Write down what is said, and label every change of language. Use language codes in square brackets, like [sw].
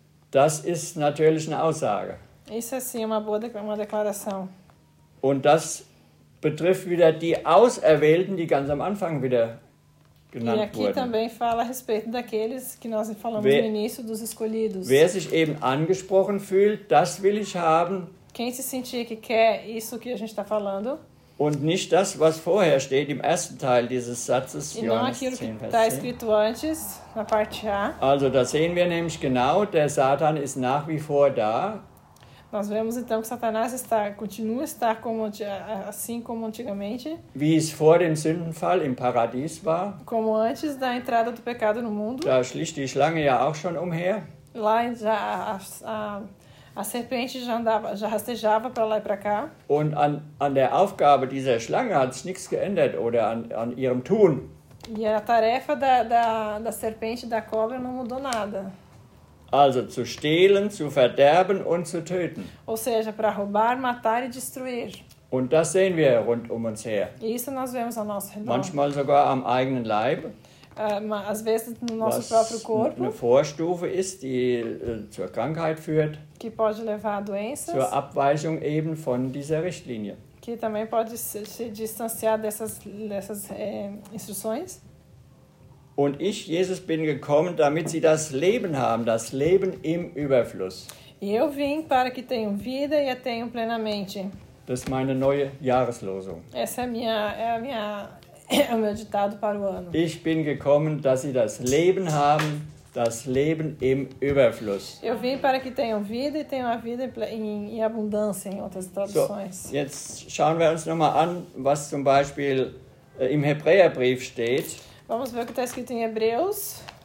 [de] Das ist natürlich eine Aussage. [pt] Isso é sim uma declaração. [de] Und das betrifft wieder die Auserwählten, die ganz am Anfang wieder genannt wurden. [pt] E aqui [de] wurden. [pt] Também fala a respeito daqueles que nós falamos no início dos escolhidos. [de] Wer sich eben angesprochen fühlt, das will ich haben. [pt] Quem se sentir que quer isso que a gente está falando? [de] Und nicht das, was vorher steht im ersten Teil dieses Satzes. [pt] E não aquilo que está escrito antes, na parte A. [de] Also, da sehen wir nämlich genau, der Satan ist nach wie vor da. [pt] Nós vemos então que Satanás continua a estar como, assim como antigamente. [de] Wie es vor dem Sündenfall im Paradies war. [pt] Como antes da entrada do pecado no mundo. [de] Da schlich die Schlange ja auch schon umher. [pt] Lá já a serpente já andava, já rastejava para lá e para cá. [de] Und an der Aufgabe dieser Schlange hat sich nichts geändert oder an ihrem Tun. [pt] E a tarefa da serpente, da cobra, não mudou nada. [de] Also zu stehlen, zu verderben und zu töten. [pt] Ou seja, para roubar, matar e destruir. [de] Und das sehen wir rund um uns her. [pt] Isso nós vemos ao nosso redor. [de] Manchmal sogar am eigenen Leib. [pt] às vezes no nosso próprio corpo. [de] Eine Vorstufe ist, die zur Krankheit führt. [pt] Que pode levar a doenças. [de] Zur Abweichung eben von dieser Richtlinie. [pt] Que também pode se distanciar dessas instruções. [de] Und ich, Jesus, bin gekommen, damit sie das Leben haben, das Leben im Überfluss. [pt] E eu vim para que tenham vida e a tenham plenamente. [de] Das ist meine neue Jahreslosung. [pt] Essa é o meu ditado para o ano. [de] Ich bin gekommen, dass sie das Leben haben, das Leben im Überfluss. [pt] Eu vim para que tenham vida e tenham a vida em abundância, em outras traduções. [de] So, jetzt schauen wir uns nochmal an, was zum Beispiel im Hebräerbrief steht. [pt] Vamos ver o que está escrito em Hebreus.